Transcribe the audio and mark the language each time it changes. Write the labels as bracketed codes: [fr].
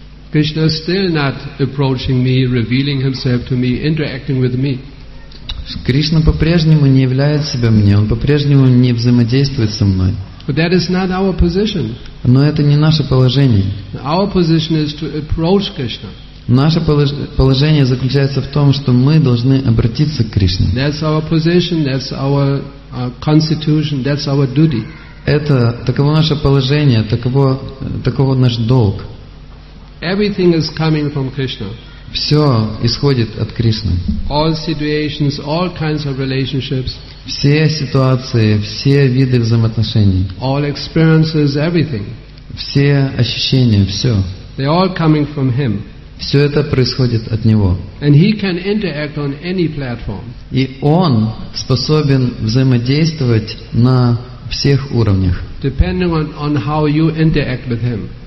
[en] Krishna is still not approaching me, revealing himself to me, interacting with me. [ru] Кришна по-прежнему не являет себя мне, он по-прежнему не взаимодействует со мной. [en] But that is not our position. [ru] Но это не наше положение. [en] Our position is to approach Krishna. [ru] Наше положение заключается в том, что мы должны обратиться к Кришне. [en] That's our position, that's our constitution, that's our duty. [ru] Это таково наше положение, таково наш долг. [en] Everything is coming from Krishna. [ru] Все исходит от Кришны. [en] All situations, all kinds of relationships. [ru] Все ситуации, все виды взаимоотношений. [en] All experiences, everything. [ru] Все ощущения, все. [en] They all coming from Him. [ru] Все это происходит от Него. [en] And He can interact on any platform. [ru] И Он способен взаимодействовать на всех уровнях. [en] depending on how you interact with him.